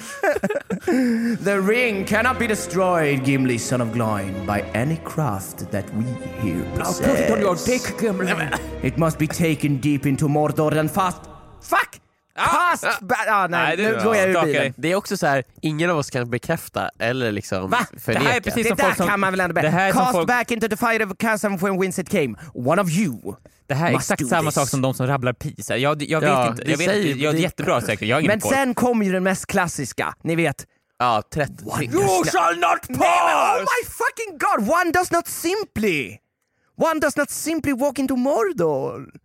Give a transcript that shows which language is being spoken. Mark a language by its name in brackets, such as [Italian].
[English] the ring cannot be destroyed, Gimli, son of Gloin, by any craft that we here possess. I'll put it on your dick, Gimli. It must be taken deep into Mordor and fast... Fuck! Ah! [Swedish] must nej, nu går jag ur bilen. Det är också så här, ingen av oss kan bekräfta eller liksom förneka. Det här är precis som folk som kan man väl ändå bekräfta. [English] Cast folk... back into the fire of chasm when Winsett came. One of you. [Swedish] Det här är exakt samma sak som de som rabblar pisar. Jag vet inte, det är jättebra säkert. Jag men sen kommer ju den mest klassiska. Ni vet. Ja, 30. [English] You shall not pass. Oh my fucking god. One does not simply. One does not simply walk into Mordor.